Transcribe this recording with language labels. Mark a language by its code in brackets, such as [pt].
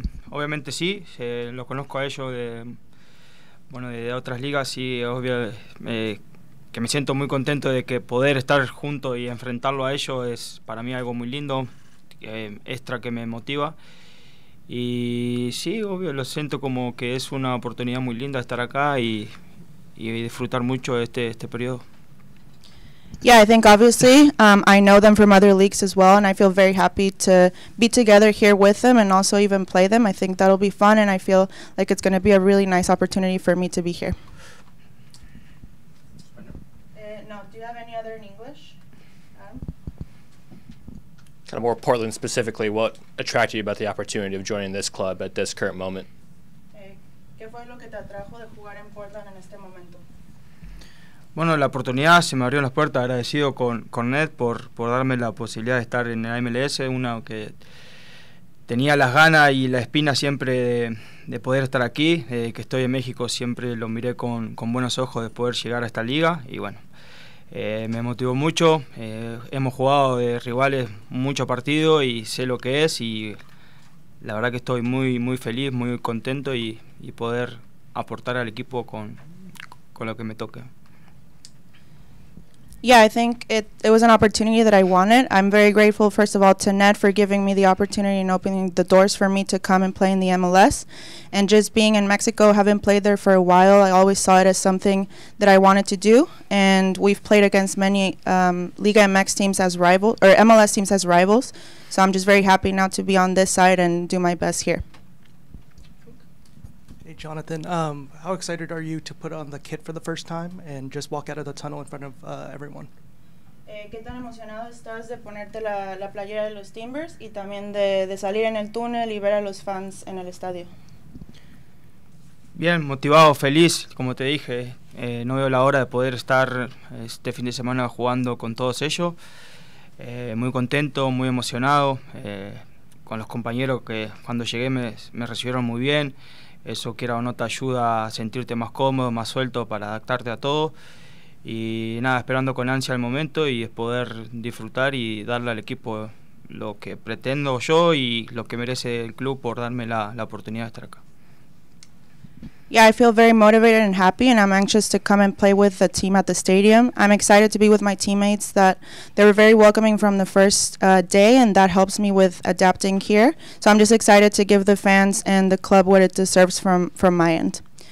[es] Obviamente sí, lo conozco a ellos de otras ligas y obvio que me siento muy contento de que poder estar junto y enfrentarlo a ellos es para mí algo muy lindo, extra que me motiva. Y sí, obvio, lo siento como que es una oportunidad muy linda estar acá y disfrutar mucho este periodo. [en] Yeah, I think obviously I know them from other leagues as well, and I feel very happy to be together here with them and also even play them. I think that'll be fun, and I feel like it's going to be a really nice opportunity for me to be here. Do you have any other in English? Kind of more Portland specifically, what attracted you about the opportunity of joining this club at this current moment? [es] ¿Qué fue lo que te atrajo de jugar en Portland en este momento? Bueno, la oportunidad se me abrió las puertas, agradecido con Ned por darme la posibilidad de estar en el MLS, una que tenía las ganas y la espina siempre de poder estar aquí, que estoy en México siempre lo miré con buenos ojos de poder llegar a esta liga y bueno, me motivó mucho, hemos jugado de rivales mucho partido y sé lo que es y la verdad que estoy muy, muy feliz, muy contento y poder aportar al equipo con lo que me toque. [en] Yeah, I think it was an opportunity that I wanted. I'm very grateful, first of all, to Ned for giving me the opportunity and opening the doors for me to come and play in the MLS. And just being in Mexico, having played there for a while, I always saw it as something that I wanted to do. And we've played against many Liga MX teams as rivals, or MLS teams as rivals. So I'm just very happy now to be on this side and do my best here. Jonathan, how excited are you to put on the kit for the first time and just walk out of the tunnel in front of everyone? [es] ¿Qué tan emocionado estás de ponerte la playera de los Timbers y también de salir en el túnel y ver a los fans en el estadio? Bien, motivado, feliz, como te dije. No veo la hora de poder estar este fin de semana jugando con todos ellos. Muy contento, muy emocionado. Con los compañeros que cuando llegué me recibieron muy bien. eso quiera o no te ayuda a sentirte más cómodo, más suelto para adaptarte a todo. Y nada, esperando con ansia el momento y poder disfrutar y darle al equipo lo que pretendo yo y lo que merece el club por darme la oportunidad de estar acá. [en] Yeah, I feel very motivated and happy, and I'm anxious to come and play with the team at the stadium. I'm excited to be with my teammates. That they were very welcoming from the first day, and that helps me with adapting here. So I'm just excited to give the fans and the club what it deserves from my end.